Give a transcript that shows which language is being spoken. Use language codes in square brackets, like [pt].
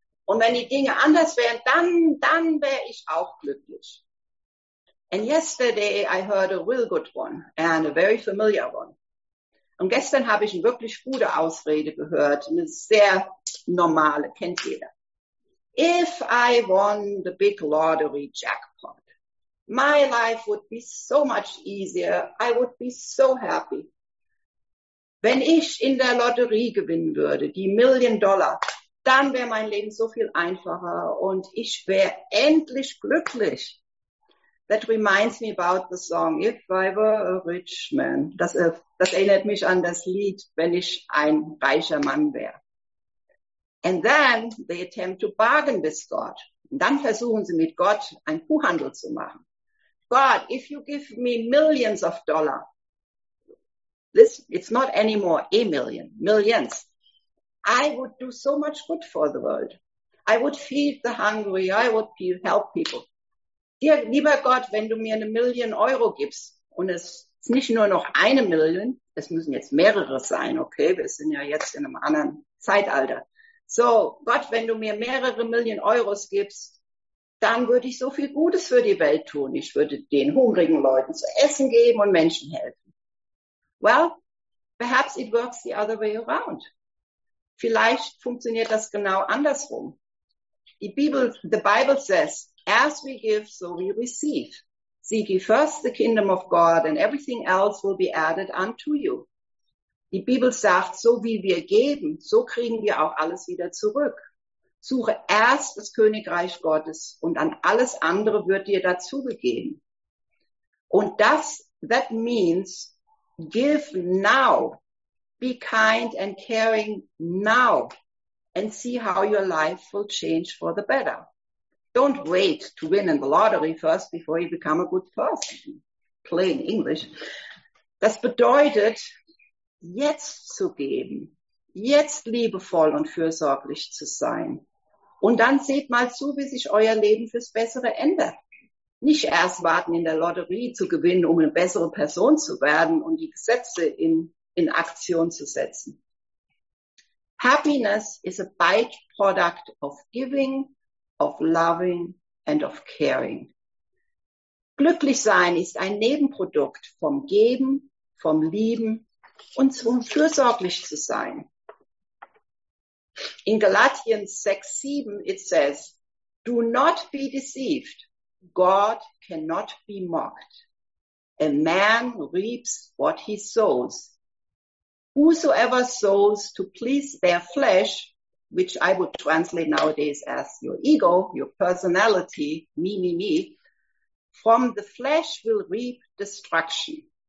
[de] Und wenn die Dinge anders wären, dann wäre ich auch glücklich. [en] And yesterday I heard a real good one and a very familiar one. [de] Und gestern habe ich eine wirklich gute Ausrede gehört, eine sehr normale, kennt jeder. [en] If I won the big lottery jackpot, my life would be so much easier, I would be so happy. [de] Wenn ich in der Lotterie gewinnen würde, die Million Dollar, dann wäre mein Leben so viel einfacher und ich wäre endlich glücklich. [en] That reminds me about the song, If I Were a Rich Man. [de] Das erinnert mich an das Lied, wenn ich ein reicher Mann wäre. [en] And then they attempt to bargain with God. [de] Und dann versuchen sie mit Gott einen Kuhhandel zu machen. [en] God, if you give me millions of dollars, this, it's not anymore a million, millions. I would do so much good for the world. I would feed the hungry. I would help people. [de] Dear, lieber Gott, wenn du mir 1 Million Euro gibst und es ist nicht nur noch 1 Million, es müssen jetzt mehrere sein, okay? Wir sind ja jetzt in einem anderen Zeitalter. So, Gott, wenn du mir 1 Million Euros gibst, dann würde ich so viel Gutes für die Welt tun. Ich würde den hungrigen Leuten zu essen geben und Menschen helfen. [en] Well, perhaps it works the other way around. [de] Vielleicht funktioniert das genau andersrum. [en] The Bible says, as we give, so we receive. Seek ye first the kingdom of God and everything else will be added unto you. [de] Die Bibel sagt, so wie wir geben, so kriegen wir auch alles wieder zurück. Suche erst das Königreich Gottes und an alles andere wird dir dazugegeben. [en] Und that means, give now. Be kind and caring now and see how your life will change for the better. Don't wait to win in the lottery first before you become a good person. Plain English. [de] Das bedeutet, jetzt zu geben, jetzt liebevoll und fürsorglich zu sein. Und dann seht mal zu, wie sich euer Leben fürs Bessere ändert. Nicht erst warten in der Lotterie zu gewinnen, um eine bessere Person zu werden und die Gesetze in Aktion zu setzen. [en] Happiness is a byproduct of giving, of loving and of caring. [de] Glücklich sein ist ein Nebenprodukt vom Geben, vom Lieben und vom fürsorglich zu sein. [en] In Galatians 6:7 it says, do not be deceived. God cannot be mocked. A man reaps what he sows. Whosoever sows to please their flesh, which I would translate nowadays as your ego, your personality, me, me, me, from the flesh will reap destruction.